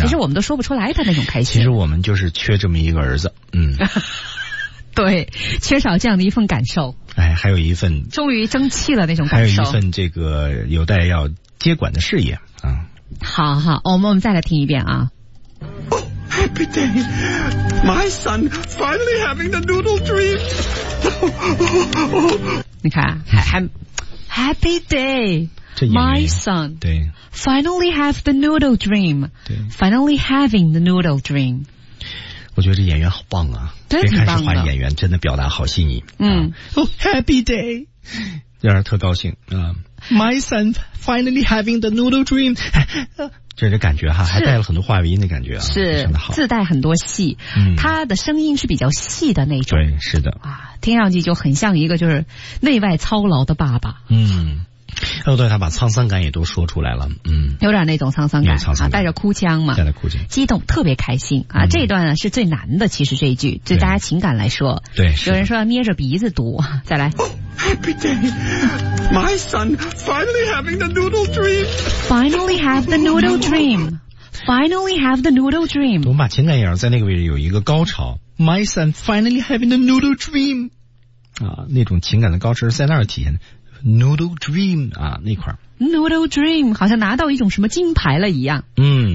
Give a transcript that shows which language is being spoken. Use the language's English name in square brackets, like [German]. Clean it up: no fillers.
[Chinese] 其实我们都说不出来他那种开心。其实我们就是缺这么一个儿子，嗯，对，缺少这样的一份感受。哎，还有一份终于争气了那种感受，还有一份这个有待要接管的事业啊、嗯。好好，我们再来听一遍啊。 [English] Happy day, my son finally having the noodle dream. [Chinese] 你看， [English] Happy day, my son. [Chinese] 对 [English] ，finally have the noodle dream. [Chinese] 对 [English] ，finally having the noodle dream. [Chinese] 我觉得这演员好棒啊！真挺棒的，别看是坏演员，真的表达好细腻。嗯、 [English] ，Happy day， [Chinese] 让人特高兴啊、！ [English] My son finally having the noodle dream. [Chinese] 这感觉哈，还带了很多话语音的感觉啊，是自带很多戏、嗯，他的声音是比较细的那种，对，是的啊，听上去就很像一个就是内外操劳的爸爸，嗯，哦，对，他把沧桑感也都说出来了，嗯，有点那种沧桑感，沧桑感、啊、带着哭腔嘛，带着哭腔，激动，特别开心啊、嗯，这一段呢是最难的，其实这一句对大家情感来说，对，是有人说要捏着鼻子读，再来。 [English] Happy day, my son finally having the noodle dream. Finally have the noodle dream. Finally have the noodle dream. [Chinese] 我们把情感演在那个位置有一个高潮。 [English] My son finally having the noodle dream. [Chinese] 啊，那种情感的高潮在那儿体现。 Noodle dream 啊，那块。 Noodle dream 好像拿到一种什么金牌了一样。嗯，